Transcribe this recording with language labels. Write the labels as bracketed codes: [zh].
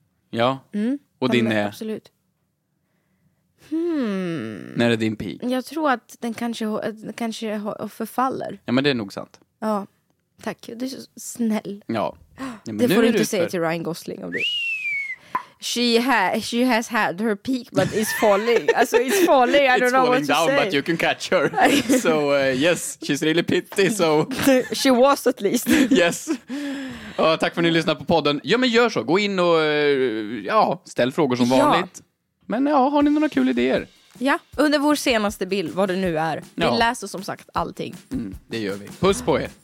[sv] Ja. Mm. Och ja, din är... Absolut. När är din peak? Jag tror att den kanske förfaller. Ja, men det är nog sant. Ja, tack. Du är så snäll. Ja. Men det nu får du inte säga till Ryan Gosling om du... [en] She has had her peak, but it's falling. Alltså, it's falling, I don't know what to say. It's falling down, but you can catch her. So, yes, she's really pitty, so... She was, at least. Yes. [sv] Tack för att ni lyssnade på podden. Ja, men gör så. Gå in och ställ frågor som vanligt. Ja. Men har ni några kul idéer? Ja, under vår senaste bild, vad det nu är. Vi läser som sagt allting. Mm, det gör vi. Puss på er.